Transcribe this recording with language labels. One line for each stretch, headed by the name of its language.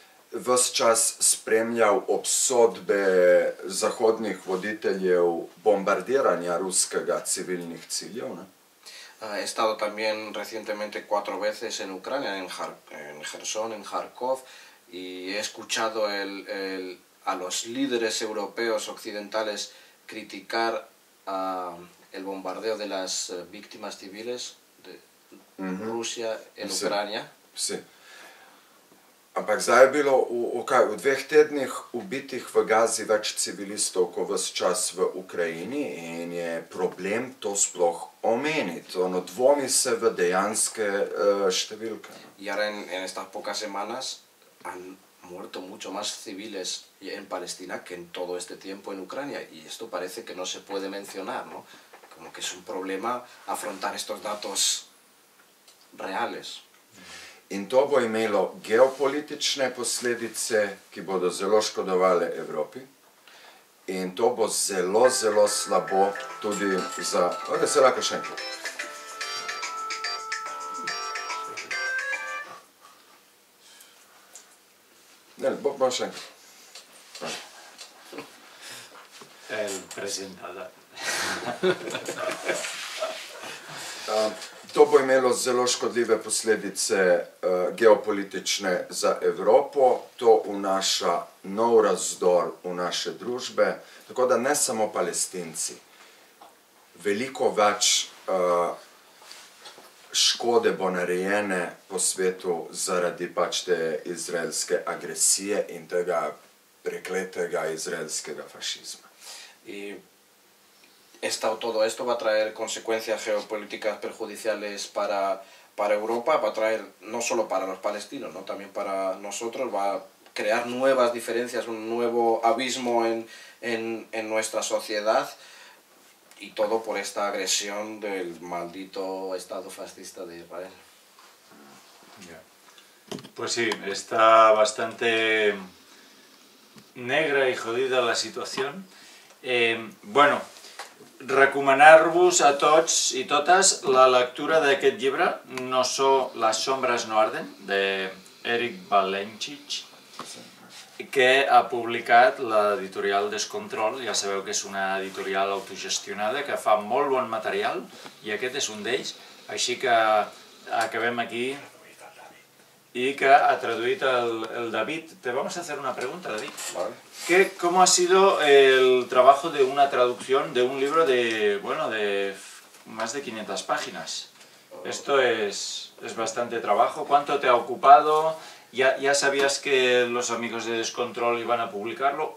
Slovenian: Ves čas spremljal obsodbe zahodnih voditeljev bombardiranja ruskega civilnih ciljev, ne?
Spanish: He estado también recientemente 4 veces en Ucrania, en Jersón, en Kharkov, y he escuchado a los líderes europeos occidentales criticar el bombardeo de las víctimas civiles de Rusia en Ucrania. Sí.
Slovenian: Ampak zdaj je bilo kaj, v dveh tednih ubitih v Gazi več civilistov kot ves čas v Ukrajini in je problem to sploh omeniti. Ono dvomi se v dejanske številke.
Spanish: Jara en estas pocas semanas han muerto mucho más civiles en Palestina que en todo este tiempo en Ucrania y esto parece que no se puede mencionar, ¿no? Como que es un problema afrontar estos datos reales.
Slovenian: In to bo imelo geopolitične posledice, ki bodo zelo škodovale Evropi. In to bo zelo, zelo slabo tudi za... Ode se lahko še enkrat. Ne, bo pa še enkrat. El presentada. To bo imelo zelo škodljive posledice geopolitične za Evropo, to vnaša nov razdor v naše družbe, tako da ne samo Palestinci. Veliko več škode bo narejene po svetu zaradi pač te izraelske agresije in tega prekletega izraelskega fašizma.
Spanish: Todo esto va a traer consecuencias geopolíticas perjudiciales para Europa, va a traer no solo para los palestinos, ¿no? También para nosotros, va a crear nuevas diferencias, un nuevo abismo en nuestra sociedad y todo por esta agresión del maldito Estado fascista de Israel. Pues sí, está bastante negra y jodida la situación.
Catalan: Bueno, recomanar-vos a tots i totes la lectura d'aquest llibre, No so, les sombres no arden, d'Eric Balenchich, que ha publicat l'editorial Descontrol. Ja sabeu que és una editorial autogestionada que fa molt bon material i aquest és un d'ells, així que acabem aquí i que ha traduït el David.
Spanish: Te vamos a hacer una pregunta, David. Vale. ¿Cómo ha sido el trabajo de una traducción de un libro de, bueno, de más de 500 páginas? Esto es bastante trabajo. ¿Cuánto te ha ocupado? ¿Ya sabías que los amigos de Descontrol iban a publicarlo?